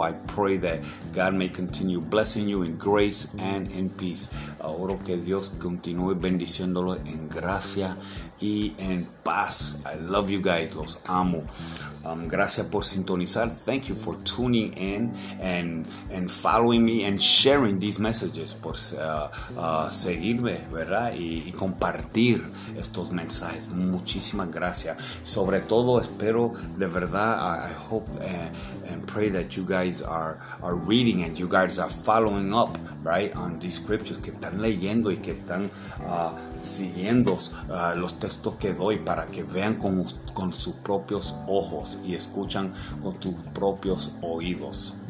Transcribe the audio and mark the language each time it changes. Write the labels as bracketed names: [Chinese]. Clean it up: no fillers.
[English] I pray that God may continue blessing you in grace and in peace. [Spanish] Oro que Dios continúe bendiciéndolo en gracia y en paz. [English] I love you guys. [Spanish] Los amo. Gracias por sintonizar. [English] Thank you for tuning in and following me and sharing these messages. [Spanish] Por seguirme, ¿verdad? Y compartir estos mensajes. Muchísimas gracias. Sobre todo, espero de verdad, [English] I hope and pray that you guys are reading and you guys are following up, right, on these scriptures, [Spanish] que están leyendo y que están siguiendo los textos que doy, para que vean con sus propios ojos y escuchan con tus propios oídos.